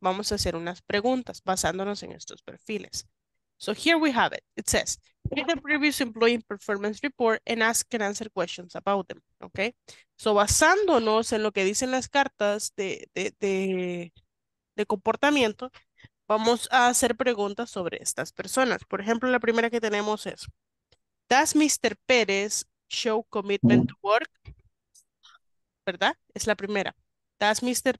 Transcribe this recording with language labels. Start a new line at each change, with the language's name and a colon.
Spanish: Vamos a hacer unas preguntas basándonos en estos perfiles.
English: So here we have it. It says, read the previous employee performance report and ask and answer questions about them. Okay?
Spanish: So basándonos en lo que dicen las cartas de comportamiento, vamos a hacer preguntas sobre estas personas. Por ejemplo, la primera que tenemos es,
English: ¿Does Mr. Pérez show commitment to work?
Spanish: ¿Verdad? Es la primera.
English: ¿Does Mr.